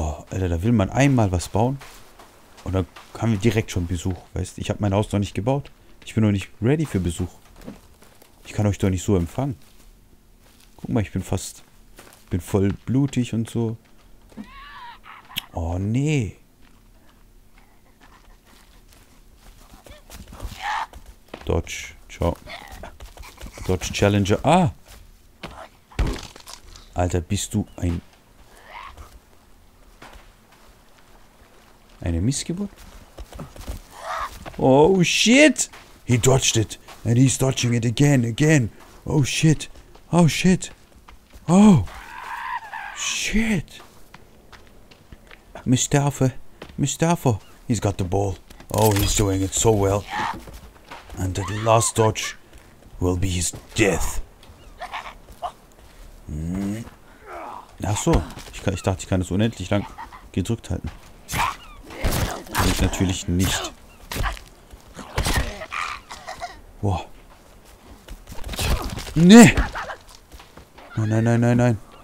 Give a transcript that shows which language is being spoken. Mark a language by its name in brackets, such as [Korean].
[German] Alter, da will man einmal was bauen. Und dann haben wir direkt schon Besuch. Weißt du, ich habe mein Haus noch nicht gebaut. Ich bin noch nicht ready für Besuch. Ich kann euch doch nicht so empfangen. Guck mal, ich bin fast... bin voll blutig und so. Oh, nee. Dodge Challenger. Ah! Alter, bist du ein... eine Missgeburt? [English] Oh, shit! He dodged it. And he's dodging it again. Oh, shit. Oh, shit. Oh! Shit! Mustafa. He's got the ball. Oh, he's doing it so well. And that last dodge will be his death. [German] Ach so, ich dachte, ich kann das unendlich lang gedrückt halten. Kann ich natürlich nicht. Boah. Nee! Nein.